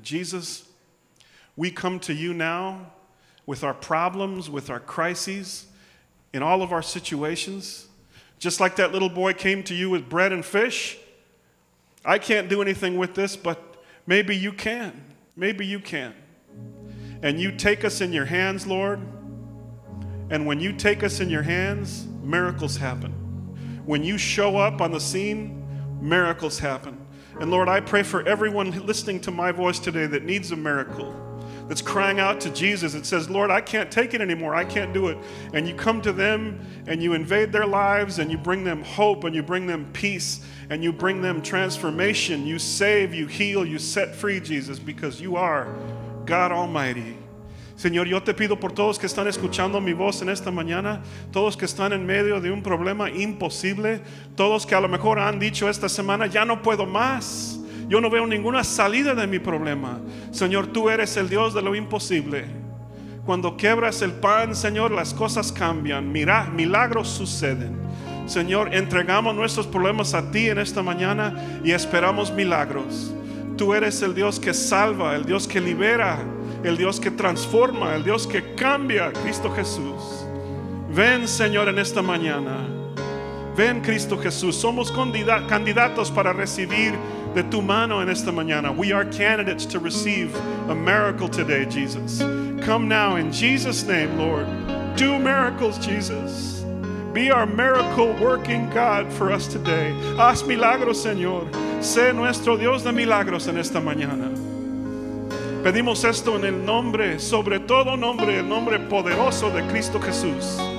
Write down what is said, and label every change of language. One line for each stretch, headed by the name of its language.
English: Jesus, we come to you now with our problems, with our crises, in all of our situations. Just like that little boy came to you with bread and fish. I can't do anything with this, but maybe you can. Maybe you can. And you take us in your hands, Lord. And when you take us in your hands, miracles happen. When you show up on the scene, miracles happen. And Lord, I pray for everyone listening to my voice today that needs a miracle, that's crying out to Jesus. It says, Lord, I can't take it anymore. I can't do it. And you come to them and you invade their lives and you bring them hope and you bring them peace and you bring them transformation. You save, you heal, you set free, Jesus, because you are God Almighty.
Spanish: Señor, yo te pido por todos que están escuchando mi voz en esta mañana, todos que están en medio de un problema imposible, todos que a lo mejor han dicho esta semana, ya no puedo más, yo no veo ninguna salida de mi problema. Señor, tú eres el Dios de lo imposible. Cuando quebras el pan, Señor, las cosas cambian. Mira, milagros suceden. Señor, entregamos nuestros problemas a ti en esta mañana y esperamos milagros. Tú eres el Dios que salva, el Dios que libera, el Dios que transforma, el Dios que cambia, Cristo Jesús. Ven, Señor, en esta mañana. Ven, Cristo Jesús. Somos candidatos para recibir de tu mano en esta mañana.
English: We are candidates to receive a miracle today, Jesus. Come now in Jesus' name, Lord. Do miracles, Jesus. Be our miracle working God for us today.
Spanish: Haz milagros, Señor. Sé nuestro Dios de milagros en esta mañana. Pedimos esto en el nombre, sobre todo nombre, el nombre poderoso de Cristo Jesús.